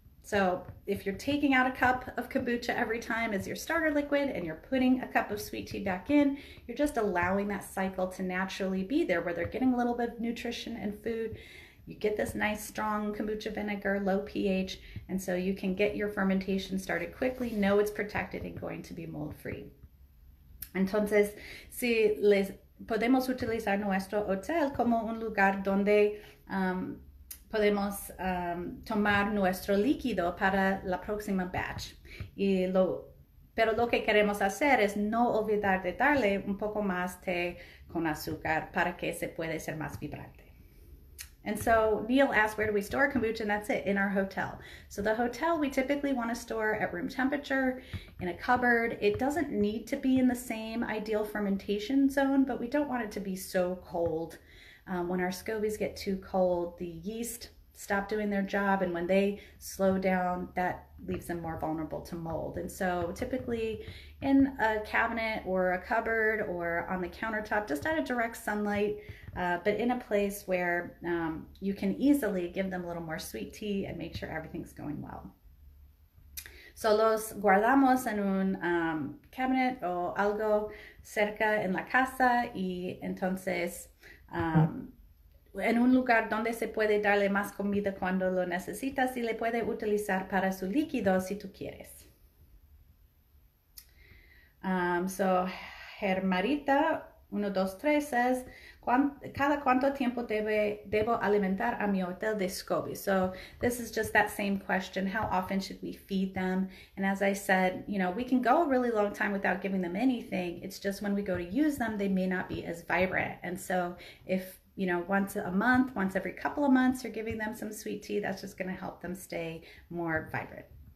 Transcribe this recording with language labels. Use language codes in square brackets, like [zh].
[en] So if you're taking out a cup of kombucha every time as your starter liquid and you're putting a cup of sweet tea back in, you're just allowing that cycle to naturally be there where they're getting a little bit of nutrition and food. You get this nice strong kombucha vinegar, low pH, and so you can get your fermentation started quickly, know it's protected and going to be mold free. [es] Entonces, si les podemos utilizar nuestro hotel como un lugar donde podemos tomar nuestro líquido para la próxima batch. Y lo Pero lo que queremos hacer es no olvidar de darle un poco más té con azúcar para que se puede ser más vibrante. [en] And so Neil asked, where do we store kombucha? And that's it, in our hotel. So the hotel, we typically want to store at room temperature, in a cupboard. It doesn't need to be in the same ideal fermentation zone, but we don't want it to be so cold. When our SCOBYs get too cold, the yeast stop doing their job, and when they slow down, that leaves them more vulnerable to mold. And so typically in a cabinet or a cupboard or on the countertop, just out of direct sunlight, but in a place where you can easily give them a little more sweet tea and make sure everything's going well. [es] So los guardamos en un cabinet o algo cerca en la casa y entonces en un lugar donde se puede darle más comida cuando lo necesitas y le puede utilizar para su líquido si tú quieres. [en] So Germarita 123 says, [es] ¿cada cuánto tiempo debo alimentar a mi hotel de SCOBY? [en] So this is just that same question. How often should we feed them? And as I said, you know, we can go a really long time without giving them anything. It's just when we go to use them, they may not be as vibrant. And so if, you know, once a month, once every couple of months, you're giving them some sweet tea, that's just going to help them stay more vibrant.